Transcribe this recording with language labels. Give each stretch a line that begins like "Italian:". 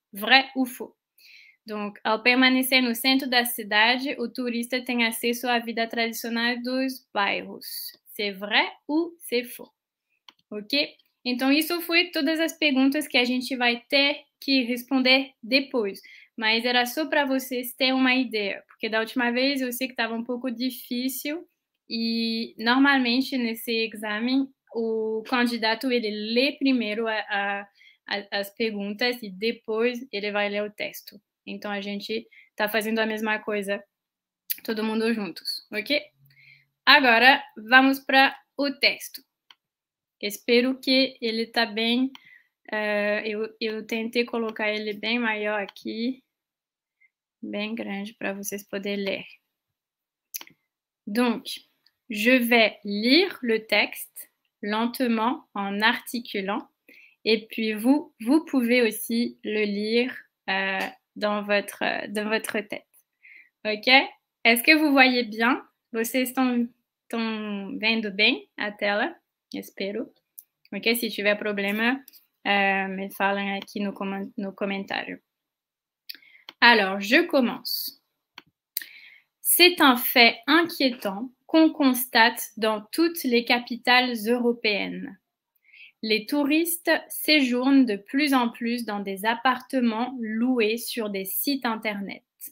French: Vrai ou faux? Donc,
Portuguese: ao permanecer no centro da cidade, o turista tem acesso à vida tradicional dos bairros.
French: C'est vrai ou c'est faux?
Portuguese: Ok? Então, isso foi todas as perguntas que a gente vai ter que responder depois. Mas era só para vocês terem uma ideia, porque da última vez eu sei que estava um pouco difícil e normalmente nesse exame o candidato ele lê primeiro as perguntas e depois ele vai ler o texto. Então a gente está fazendo a mesma coisa, todo mundo juntos, ok? Agora vamos para o texto. Espero que ele está bem... Eu tentei colocar ele bem maior aqui, bem grande, para vocês poderem ler.
French: Donc, je vais lire le texte lentement en articulant, et puis vous pouvez aussi le lire dans votre tête. Ok? Est-ce que vous voyez bien?
Portuguese: Vocês estão vendo bem a tela? Espero. Ok?
French: Si tu as problème.
Portuguese: Me falem aqui no comentário.
French: Alors, je commence. C'est un fait inquiétant qu'on constate dans toutes les capitales européennes. Les touristes séjournent de plus en plus dans des appartements loués sur des sites internet.